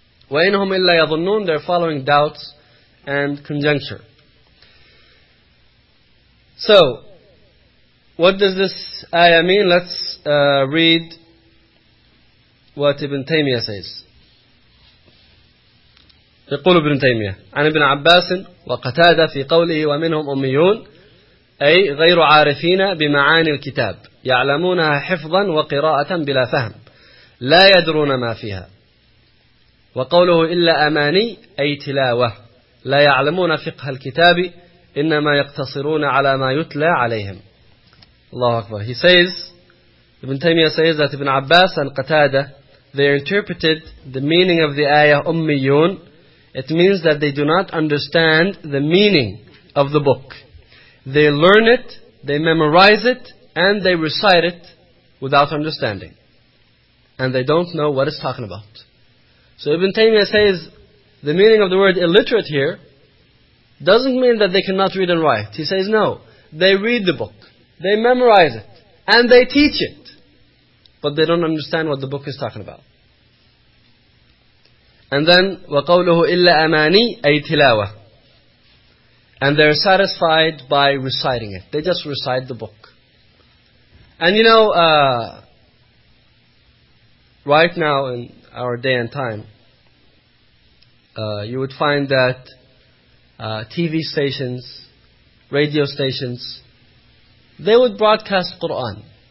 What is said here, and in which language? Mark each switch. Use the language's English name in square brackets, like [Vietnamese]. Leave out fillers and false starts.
[Arabic] وَإِنْهُمْ إِلَّا يَظُنُّونَ. [English] They're following doubts and conjecture. So, what does this ayah mean? Let's read what Ibn Taymiyyah says. [Arabic] يقول ابن تيمية عن ابن عباس وقتادة في قوله ومنهم أميون أي غير عارفين بمعاني الكتاب يعلمونها حفظا وقراءة بلا فهم لا يدرون ما فيها. وقوله إلا أماني أي تلاوة لا يعلمون فقه الكتاب إنما يقتصرون على ما يتلى عليهم. الله أكبر. [English] He says, Ibn Taymiyyah says that Ibn Abbas and Qatada, they interpreted the meaning of the ayah Ummiyun. It means that they do not understand the meaning of the book. They learn it, they memorize it, and they recite it without understanding. And they don't know what it's talking about. So Ibn Taymiyyah says the meaning of the word illiterate here doesn't mean that they cannot read and write. He says, no, they read the book, they memorize it, and they teach it. But they don't understand what the book is talking about. And then, [Arabic] وَقَوْلُهُ إِلَّا أَمَانِي أَيْ تِلَاوَةً. [English] And they're satisfied by reciting it. They just recite the book. And you know, right now in our day and time, you would find that TV stations, radio stations, they would broadcast Qur'an.